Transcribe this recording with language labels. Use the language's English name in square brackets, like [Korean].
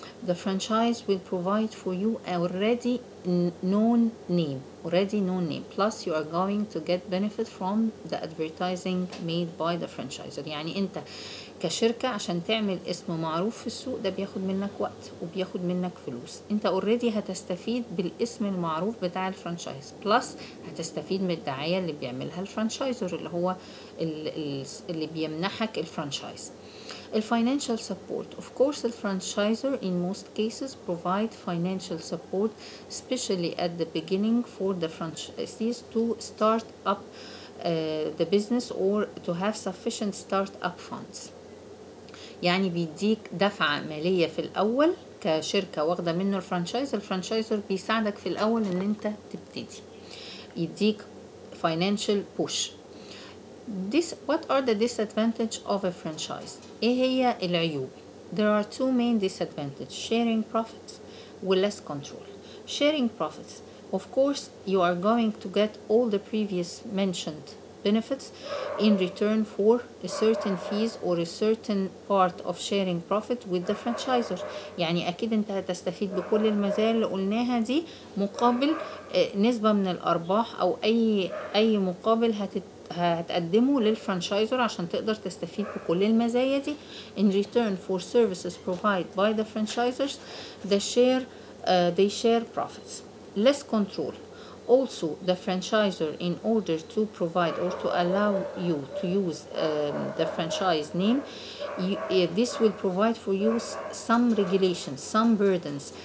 [English] The franchise will provide for you already known name, plus you are going to get benefit from the advertising made by the franchisor. [Arabic] يعني انت كشركة عشان تعمل اسم معروف في السوق ده بياخد منك وقت وبياخد منك فلوس. انت already هتستفيد بالاسم المعروف بتاع الفرانشايز plus هتستفيد من الدعاية اللي بيعملها الفرانشايزر اللي هو اللي بيمنحك الفرانشايز. [English] Financial support. Of course, the franchisor in most cases provide financial support, especially at the beginning for the franchisees to start up the business or to have sufficient startup funds. [Arabic] يعني بيديك دفعة مالية في الأول كشركة واخدة منه الفرانشايز. الفرانشايزر بيساعدك في الأول إن أنت تبتدي. يديك [English] financial push. What are the disadvantages of a franchise? [Arabic] إيه هي العيوب؟ [English] There are two main disadvantages: sharing profits with less control. Sharing profits, of course, you are going to get all the previous mentioned benefits in return for a certain fees or a certain part of sharing profit with the franchisor. [Arabic] يعني أكيد أنت هتستفيد بكل المزايا اللي قلناها دي مقابل نسبة من الأرباح أو أي مقابل هتقدمه للفرانشايزر عشان تقدر تستفيد بكل المزايا دي. [English] In return for services provided by the franchisers, they share profits. Less control. Also, the franchisor, in order to provide or to allow you to use the franchise name, this will provide for you some regulations, some burdens.